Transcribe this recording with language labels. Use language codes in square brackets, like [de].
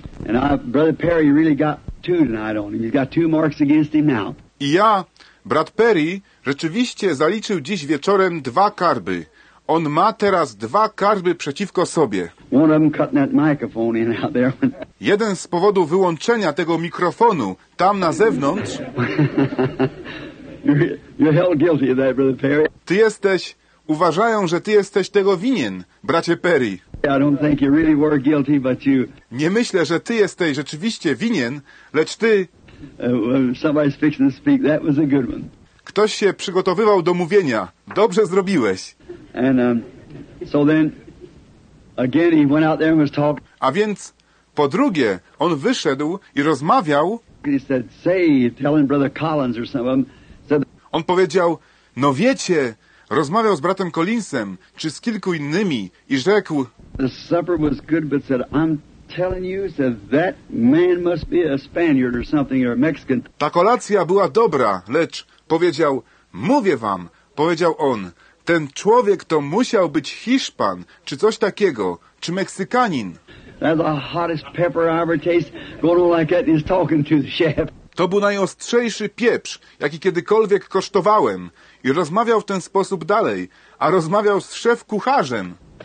[en] And Brother Perry really got two tonight on him. He's got two marks against him now. [pl] I ja, brat Perry, rzeczywiście zaliczył dziś wieczorem dwa karby. On ma teraz dwa karby przeciwko sobie. [en] One of them cutting that microphone in out there. [pl] Jeden z powodu wyłączenia tego mikrofonu tam na zewnątrz. [en] You're held guilty of that, Brother Perry. [pl] Ty jesteś, uważają, że ty jesteś tego winien, bracie Perry. [en] I don't think you really were guilty, but you. [pl] Nie myślę, że ty jesteś rzeczywiście winien, lecz ty. [en] Somebody's fixing to speak. That was a good one. [pl] Ktoś się przygotowywał do mówienia. Dobrze zrobiłeś. [en] And so then, again, he went out there and was talking. [pl] A więc po drugie, on wyszedł i rozmawiał. [en] He said, "Say, telling Brother Collins or something." Said. [pl] On powiedział, no wiecie. Rozmawiał z bratem Collinsem czy z kilku innymi i rzekł: [en] The supper was good, but said, I'm telling you, said that man must be a Spaniard or something or a Mexican. [pl] Ta kolacja była dobra, lecz powiedział: Mówię wam, powiedział on, ten człowiek to musiał być Hiszpan czy coś takiego, czy Meksykanin. [en] That's the hottest pepper I ever tasted, going on like that, and he's talking to the chef. [pl] To był najostrzejszy pieprz, jaki kiedykolwiek kosztowałem. I rozmawiał w ten sposób dalej, a rozmawiał z szef-kucharzem.